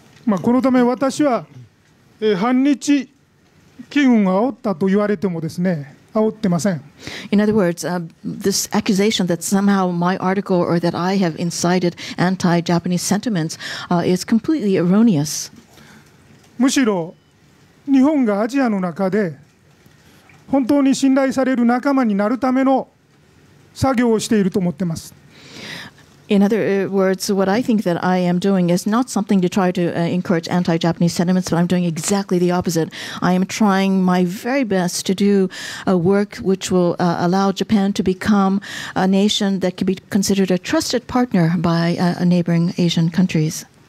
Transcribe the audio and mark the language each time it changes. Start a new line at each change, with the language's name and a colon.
Japanese: このため私は反日機運が煽ったと言われてもですね、煽ってません。
English: In other words, this accusation that somehow my article or that I have incited anti-Japanese sentiments is completely erroneous.
Japanese: むしろ日本がアジアの中で本当に信頼される仲間になるための作業をしていると思ってます。
English: In other words, what I think that I am doing is not something to try to encourage anti-Japanese sentiments, but I'm doing exactly the opposite. I am trying my very best to do a work which will allow Japan to become a nation that can be considered a trusted partner by neighboring Asian countries.